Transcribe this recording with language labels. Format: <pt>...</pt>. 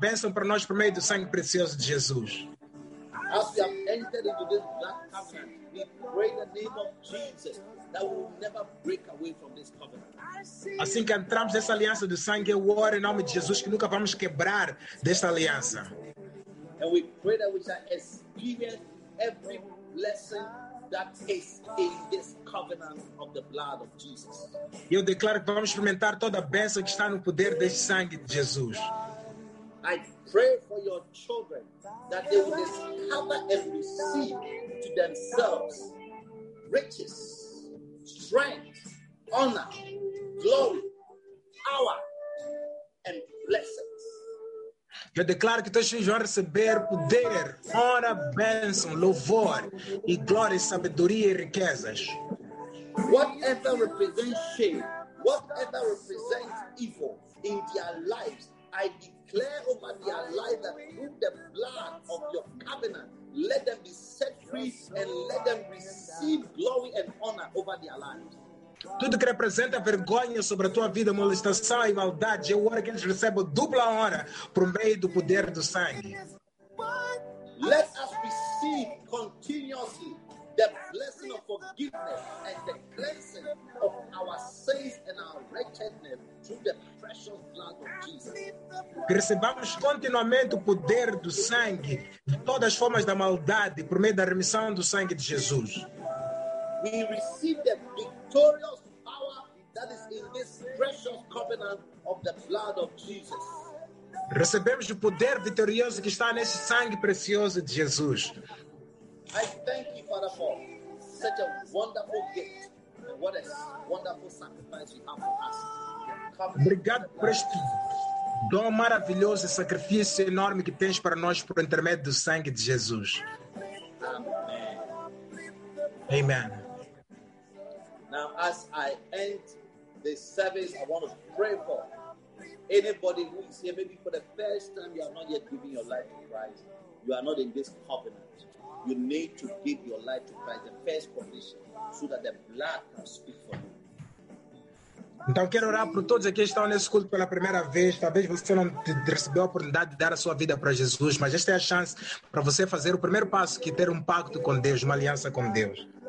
<en>as we have entered into this black covenant, we pray in the name of Jesus that we will never break away from this covenant.</en> <pt>Assim que entramos nessa aliança do sangue, eu oro em nome de Jesus que nunca vamos quebrar desta aliança.</pt> <en>And we pray that we shall experience every blessing that is in this covenant of the blood of Jesus.</en> <pt>Eu declaro que vamos experimentar toda a bênção que está no poder deste sangue de Jesus.</pt> <en>I pray for your children that they will discover and receive to themselves riches, strength, honor, glory, power, and blessings.</en> <pt>Eu declaro que teus filhos vão receber poder, honra, bênção, louvor, e glória, sabedoria e riquezas.</pt> <en>Whatever represents shame, whatever represents evil in their lives, I declare over their life that through the blood of your covenant, let them be set free and let them receive glory and honor over their lives.</en> <pt>Tudo que representa vergonha sobre a tua vida, molestação e maldade, eu oro que eles recebam dupla honra por meio do poder do sangue.</pt> <en>Let us receive continuously the blessing of forgiveness and the cleansing of our sins and our wretchedness through the precious blood of Jesus.</en> <pt>Que recebamos continuamente o poder do sangue de todas as formas da maldade por meio da remissão do sangue de Jesus.</pt> <en>We receive the victorious power that is in this precious covenant of the blood of Jesus.</en> <pt>Recebemos o poder vitorioso que está nesse sangue precioso de Jesus.</pt> <en>I thank you, Father, for such a wonderful gift. What a wonderful sacrifice you have for us.</en> <pt>Obrigado por este dom maravilhoso e sacrifício enorme que tens para nós por intermédio do sangue de Jesus.</pt> <en>Amen. Amen. Now, as I end this service, I want to pray for anybody who is here. Maybe for the first time, you have not yet given your life to Christ. You are not in this covenant. You need to give your life to Christ, the first condition, so that the blood can speak for you.</en> <pt>Então quero orar por todos aqueles que estão nesse culto pela primeira vez. Talvez você não recebeu a oportunidade de dar a sua vida para Jesus, mas esta é a chance para você fazer o primeiro passo, que é ter um pacto com Deus, uma aliança com Deus.</pt>